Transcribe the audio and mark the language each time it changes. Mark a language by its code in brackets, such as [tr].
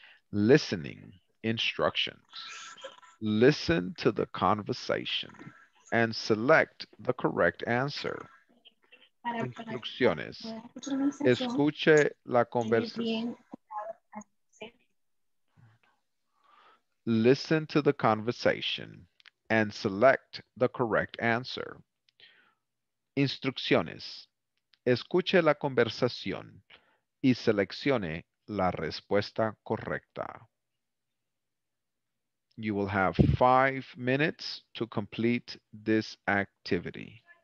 [en] Listening instructions. Listen to the conversation and select the correct answer. [es] Instrucciones. Escuche la conversación. [en] Listen to the conversation and select the correct answer. [es] Instrucciones. Escuche la conversación y seleccione la respuesta correcta. [en] You will have 5 minutes to complete this activity.